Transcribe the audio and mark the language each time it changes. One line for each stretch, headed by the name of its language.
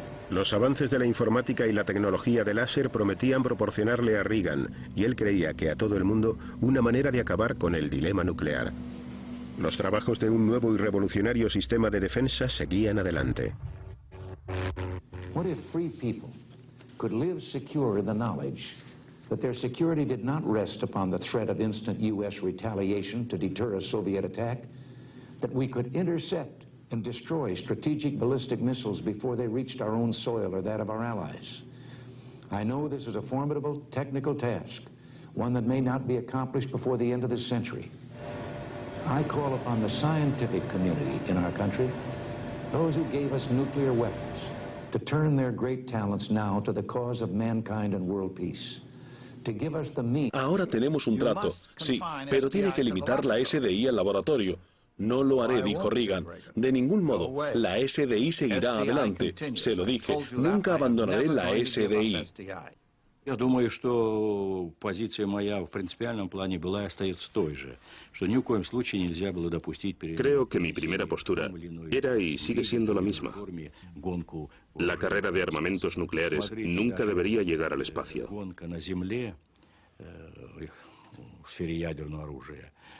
Spanish: Los avances de la informática y la tecnología de láser prometían proporcionarle a Reagan, y él creía que a todo el mundo, una manera de acabar con el dilema nuclear. Los trabajos de un nuevo y revolucionario sistema de defensa seguían adelante. ¿Qué si los pueblos
English: could live secure in the knowledge that their security did not rest upon the threat of instant U.S. retaliation to deter a Soviet attack, that we could intercept and destroy strategic ballistic missiles before they reached our own soil or that of our allies? I know this is a formidable technical task, one that may not be accomplished before the end of this century. I call upon the scientific community in our country, those who gave us nuclear weapons, to turn their great talents now to the cause of mankind and world peace.
Spanish: Ahora tenemos un trato, sí, pero tiene que limitar la SDI al laboratorio. No lo haré, dijo Reagan. De ningún modo, la SDI seguirá adelante. Se lo dije, nunca abandonaré la SDI.
Russian: Я думаю, что позиция моя в принципиальном плане была и остается той же, что ни в коем случае нельзя было допустить перед...
Spanish: Creo que mi primera postura era y sigue siendo la misma. La carrera de armamentos nucleares nunca debería llegar al espacio.
Russian: Гонка на земле в сфере ядерного оружия.